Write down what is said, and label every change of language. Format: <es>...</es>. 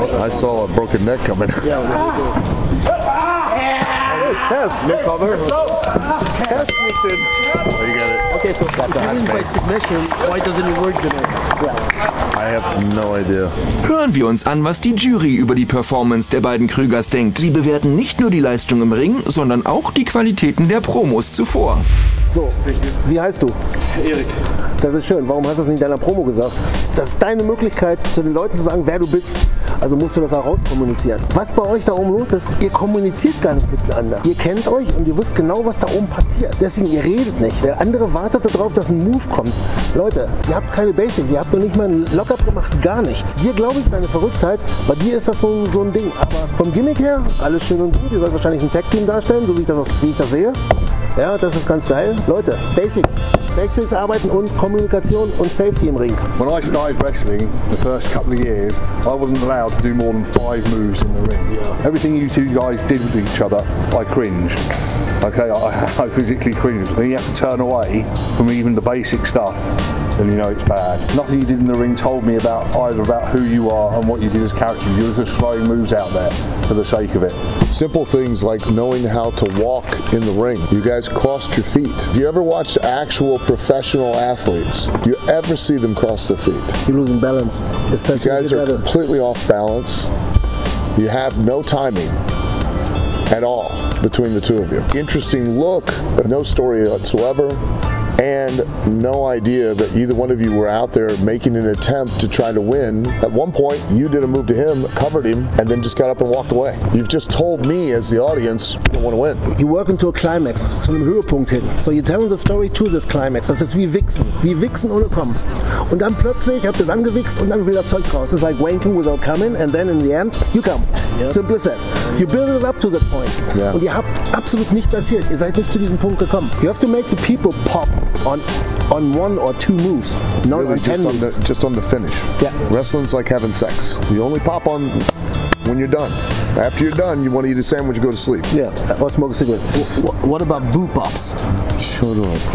<en>I saw a broken neck coming. Yeah. It's Tess. No cover. Tess makes it. Oh, you got it. Okay, so if you win by submission, why doesn't it work today? I have no idea.</en> <de>Hören wir uns an, was die Jury über die Performance der beiden Krügers denkt. Sie bewerten nicht nur die Leistung im Ring, sondern auch die Qualitäten der Promos zuvor. So, wie heißt du? Erik. Das ist schön. Warum hast du das nicht in deiner Promo gesagt? Das ist deine Möglichkeit, zu den Leuten zu sagen, wer du bist. Also musst du das auch rauskommunizieren. Was bei euch da oben los ist, ihr kommuniziert gar nicht miteinander. Ihr kennt euch und ihr wisst genau, was da oben passiert. Deswegen, ihr redet nicht. Der andere wartet darauf, dass ein Move kommt. Leute, ihr habt keine Basics, ihr habt noch nicht mal einen Lockup gemacht, gar nichts. Dir glaube ich deine Verrücktheit, bei dir ist das so ein Ding. Aber vom Gimmick her, alles schön und gut. Ihr sollt wahrscheinlich ein Tag-Team darstellen, so wie ich das sehe. Ja, das ist ganz geil. Leute, Basics arbeiten und Kommunikation und Safety im Ring.</de> <en>When I started wrestling, the first couple of years, I wasn't allowed to do more than 5 moves in the ring. Yeah. Everything you two guys did with each other, I cringed. Okay, I physically cringed. When you have to turn away from even the basic stuff, then you know it's bad. Nothing you did in the ring told me about either about who you are and what you did as characters. You were just throwing moves out there for the sake of it. Simple things like knowing how to walk in the ring. You guys crossed your feet. Do you ever watch actual professional athletes? Do you ever see them cross their feet? You're losing balance, especially. You guys are completely off balance. You have no timing at all between the two of you. Interesting look, but no story whatsoever. And no idea that either one of you were out there making an attempt to try to win. At one point, you did a move to him, covered him, and then just got up and walked away. You've just told me, as the audience, you don't want to win. You work into a climax,</en> <de>zu einem Höhepunkt hin.</de> <en>So you're telling the story to this climax.</en> <de>Das ist wie Wichsen ohne Kommen. Und dann plötzlich habt ihr dann gewichst und dann will das Zeug raus.</de> <en>It's like wanking without coming, and then in the end, you come. Yep. Simple as that. You build it up to that point. Yeah.</en> <de>Und ihr habt absolut nichts erzielt. Ihr seid nicht zu diesem Punkt gekommen.</de> <en>You have to make the people pop. On one or two moves, not really, on 10 moves. Just on the finish. Yeah. Wrestling's like having sex. You only pop on when you're done. After you're done, you want to eat a sandwich and go to sleep. Yeah, or smoke a cigarette. What about boot pops? Shut up.</en>